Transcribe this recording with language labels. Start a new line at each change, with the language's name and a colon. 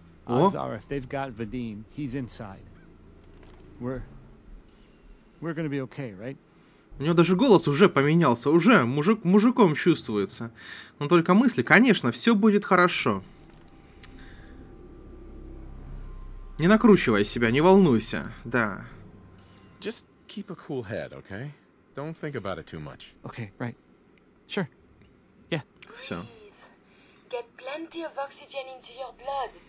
English: If they've got Vadim, he's inside. We're gonna be okay, right?
Russian: У него даже голос уже поменялся, уже мужиком чувствуется. Но только мысли, конечно, все будет хорошо. Не накручивай себя, не волнуйся. Да.
English: Just keep a cool head, okay? Don't think about it too much. Okay, right. Sure. Yeah.
Russian: Все.
English: Get plenty of oxygen into your blood.